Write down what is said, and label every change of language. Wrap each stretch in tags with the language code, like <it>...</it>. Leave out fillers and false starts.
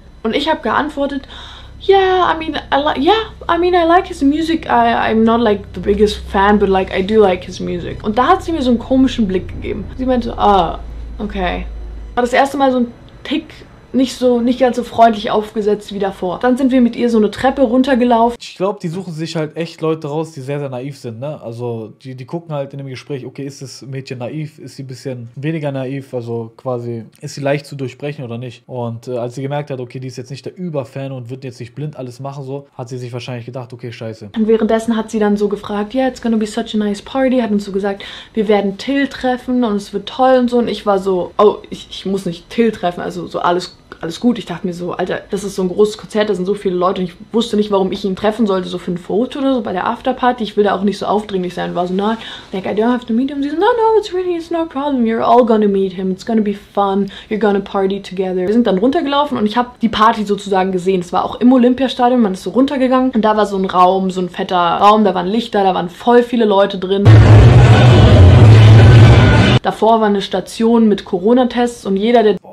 <de>Und ich habe geantwortet,</de> <en>yeah, I mean, I like his music. I'm not like the biggest fan, but like I do like his music.</en> <de>Und da hat sie mir so einen komischen Blick gegeben. Sie meinte, ah, okay. War das erste Mal so ein Tick. Nicht ganz so freundlich aufgesetzt wie davor. Dann sind wir mit ihr so eine Treppe runtergelaufen. Ich glaube, die suchen sich halt echt Leute raus, die sehr, sehr naiv sind, ne? Also, die gucken halt in dem Gespräch, okay, ist das Mädchen naiv? Ist sie ein bisschen weniger naiv? Also, quasi, ist sie leicht zu durchbrechen oder nicht? Und als sie gemerkt hat, okay, die ist jetzt nicht der Überfan und wird jetzt nicht blind alles machen, so, hat sie sich wahrscheinlich gedacht, okay, scheiße. Und währenddessen hat sie dann so gefragt,</de> <en>yeah, it's gonna be such a nice party.</en> <de>Hat uns so gesagt, wir werden Till treffen und es wird toll und so. Und ich war so, oh, ich muss nicht Till treffen, also so alles gut. Ich dachte mir so, Alter, das ist so ein großes Konzert, da sind so viele Leute und ich wusste nicht, warum ich ihn treffen sollte, so für ein Foto oder so bei der Afterparty. Ich will da auch nicht so aufdringlich sein. War so, na,</de> <en>like, I don't have to meet him.</en> <de>Sie so,</de> <en>no, no, it's really, it's no problem. You're all gonna meet him. It's gonna be fun. You're gonna party together.</en> <de>Wir sind dann runtergelaufen und ich habe die Party sozusagen gesehen. Es war auch im Olympiastadion. Man ist so runtergegangen und da war so ein Raum, so ein fetter Raum. Da waren Lichter, da waren voll viele Leute drin. Davor war eine Station mit Corona-Tests und jeder, der...</de>